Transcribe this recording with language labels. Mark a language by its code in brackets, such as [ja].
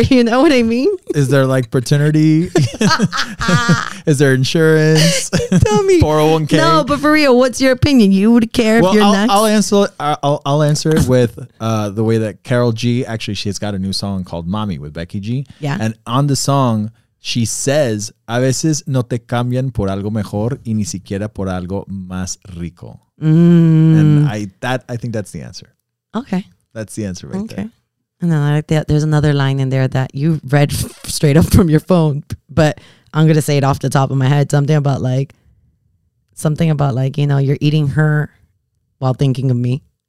[en] You know what I mean? Is there, like, paternity? Is there insurance? Tell me. 401k? No, but for real, what's your opinion? You would care if you're next? Well, I'll answer it with the way that Carol G, actually, she's got a new song called Mommy with Becky G. Yeah. And on the song, she says, [es] a veces no te cambian por algo mejor y ni siquiera por algo más rico. [en] And I think that's the answer. Okay. That's the answer right okay. there. And then I like that. There's another line in there that you read straight up from your phone, but I'm going to say it off the top of my head. Something about like, you know, you're eating her while thinking of me.